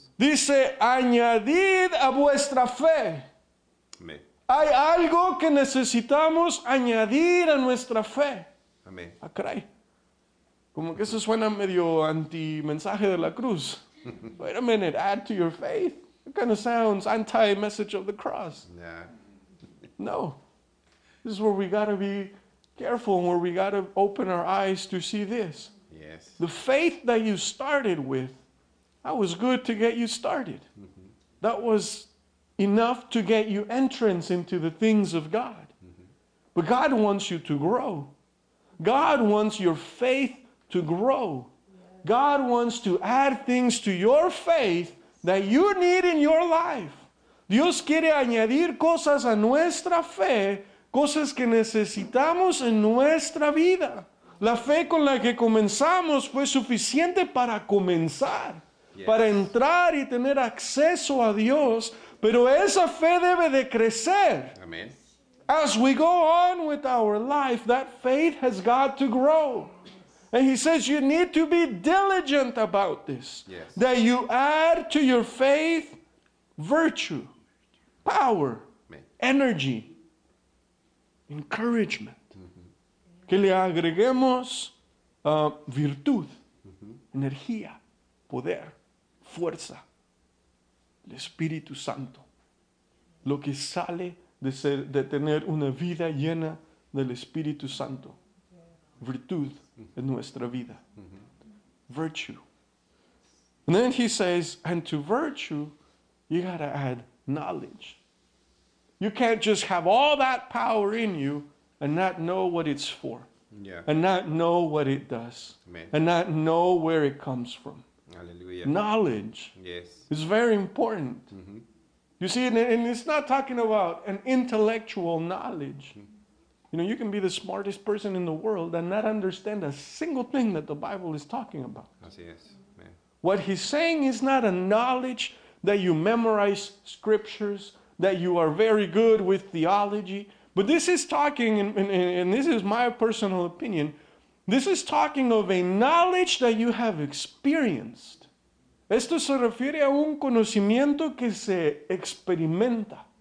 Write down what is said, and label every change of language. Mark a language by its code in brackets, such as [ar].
[es] Dice, añadid a vuestra fe. Amen. Hay algo que necesitamos añadir a nuestra fe. Amén. Ah, caray. Como que eso suena medio anti-mensaje de la cruz. [en] Wait a minute, add to your faith. It kind of sounds anti-message of the cross. Nah. No. This is where we got to be careful and where we got to open our eyes to see this. Yes. The faith that you started with, that was good to get you started. Mm-hmm. That was enough to get you entrance into the things of God. Mm-hmm. But God wants you to grow. God wants your faith to grow. Yes. God wants to add things to your faith that you need in your life. [es] Dios quiere añadir cosas a nuestra fe, cosas que necesitamos en nuestra vida. La fe con la que comenzamos fue suficiente para comenzar, [en] yes, [es] para entrar y tener acceso a Dios. Pero esa fe debe de crecer. Amen. [en] As we go on with our life, that faith has got to grow. And he says you need to be diligent about this. Yes. That you add to your faith virtue, power, amen, energy, encouragement. Mm-hmm. [es] Que le agreguemos virtud, mm-hmm, energía, poder, fuerza. El Espíritu Santo, lo que sale de ser, de tener una vida llena del Espíritu Santo, virtud en nuestra vida, virtue. [en] And then he says, and to virtue, you gotta add knowledge. You can't just have all that power in you and not know what it's for, yeah, and not know what it does, amen, and not know where it comes from. Hallelujah. Knowledge, yes, is very important. Mm-hmm. You see, and it's not talking about an intellectual knowledge. Mm-hmm. You know, you can be the smartest person in the world and not understand a single thing that the Bible is talking about. [es] Así es. [en] What he's saying is not a knowledge that you memorize scriptures, that you are very good with theology. But this is talking, and this is my personal opinion, this is talking of a knowledge that you have experienced. [es] Esto se refiere a un conocimiento que se experimenta.